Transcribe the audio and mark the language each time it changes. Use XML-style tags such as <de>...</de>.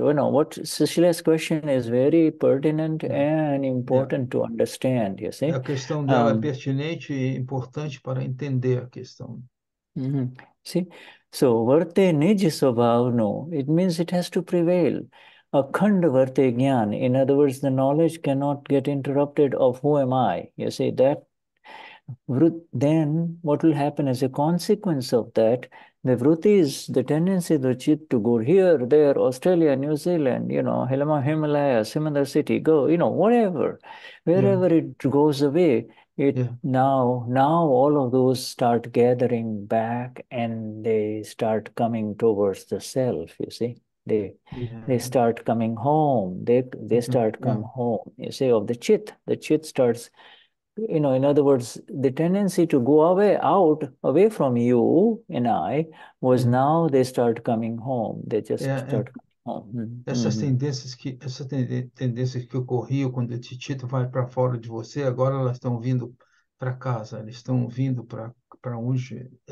<en>You know, what Cecilia's question is very pertinent and important to understand, you</en> <pt>A</pt> <en>see.</en> <pt>questão dela é pertinente e importante para entender a questão.</pt> <en>See, so varte niji svabhavano, it means it has to prevail. Akhanda varte gnan, in other words, the knowledge cannot get interrupted of who am I, you see, that. Then what will happen as a consequence of that, the vrittis, the tendency of the chit to go here, there, Australia, New Zealand, you know, Himalaya, Simandar City, go, you know, whatever, wherever it goes away, it now all of those start gathering back and they start coming towards the self, you see. They start coming home, they start come home, you see, of the chit starts. You know, in other words, the tendency to go away, out, away from you and I, was now they start coming home. They just start coming home.</en> <pt>Essas tendências que ocorriam quando o Titito vai para fora de você, agora elas estão vindo para casa, elas estão vindo para onde?</pt>